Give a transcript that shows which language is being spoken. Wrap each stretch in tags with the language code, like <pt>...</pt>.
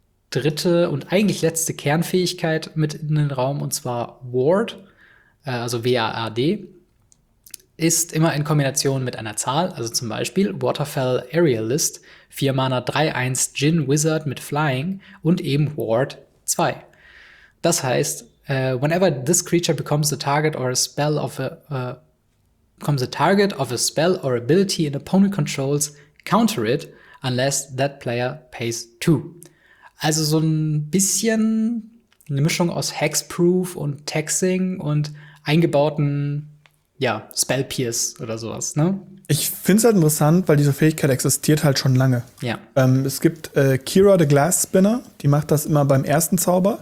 <de>dritte und eigentlich letzte Kernfähigkeit mit in den Raum, und zwar Ward, also WARD, ist immer in Kombination mit einer Zahl, also zum Beispiel Waterfell Aerialist, 4 Mana 3-1 Djinn Wizard mit Flying und eben Ward 2. Das heißt,</de> <en>whenever this creature becomes a target or a spell of a becomes a target of a spell or ability an opponent controls, counter it, unless that player pays 2.</en> <de>Also so ein bisschen eine Mischung aus Hexproof und Taxing und eingebauten, ja, Spell Pierce oder sowas, ne? Ich find's halt interessant, weil diese Fähigkeit existiert halt schon lange. Ja. Es gibt Kira the Glass Spinner, die macht das immer beim ersten Zauber.</de>